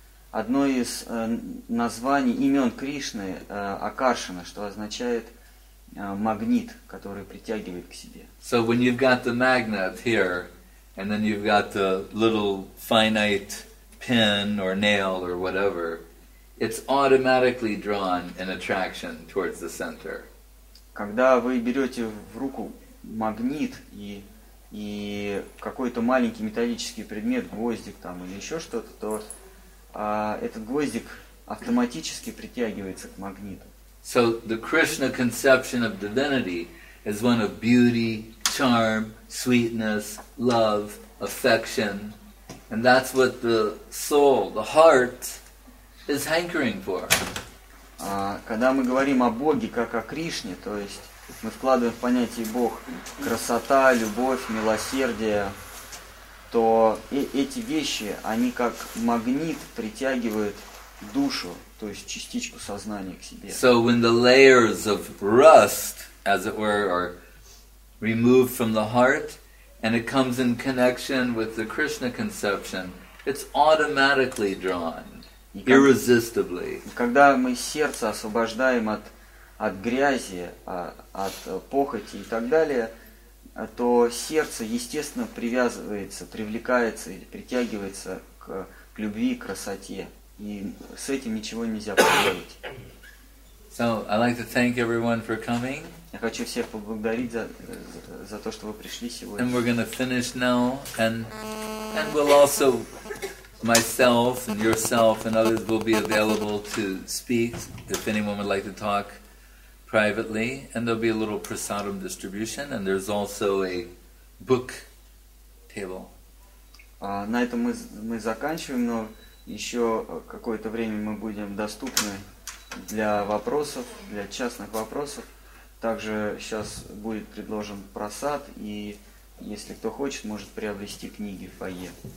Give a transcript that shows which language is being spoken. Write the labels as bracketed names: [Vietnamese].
[Russian] Одно из названий, имен Кришны Акаршана, что означает магнит, который притягивает к себе. [English] So when you've got the magnet here, and then you've got the little finite pin or nail or whatever, it's automatically drawn in attraction towards the center. [Russian] Когда вы берете в руку магнит и какой-то маленький металлический предмет, гвоздик там или еще что-то, то этот гвоздик автоматически притягивается к магниту. [English] So the Krishna conception of divinity is one of beauty, charm, sweetness, love, affection, and that's what the soul, the heart, is hankering for. [Russian] Когда мы говорим о Боге как о Кришне, то есть мы вкладываем в понятие Бог красота, любовь, милосердие, то эти вещи, они как магнит притягивают душу, то есть частичку сознания к себе. [English] So when the layers of rust, as it were, are removed from the heart, and it comes in connection with the Krishna conception, it's automatically drawn, irresistibly. [Russian] Когда мы сердце освобождаем от грязи, от похоти и так далее, то сердце естественно привязывается, привлекается или притягивается к любви, к красоте, и с этим ничего нельзя поделать. [English] So I'd like to thank everyone for coming. [Russian] Я хочу всех поблагодарить за то, что вы пришли сегодня. [English] And we're going to finish now, and we'll also myself and yourself and others will be available to speak if anyone would like to talk privately, and there'll be a little prasadam distribution, and there's also a book table. [Russian] На этом мы заканчиваем, но еще какое-то время мы будем доступны для вопросов, для частных вопросов. Также сейчас будет предложен прасад, и если кто хочет, может приобрести книги в фойе.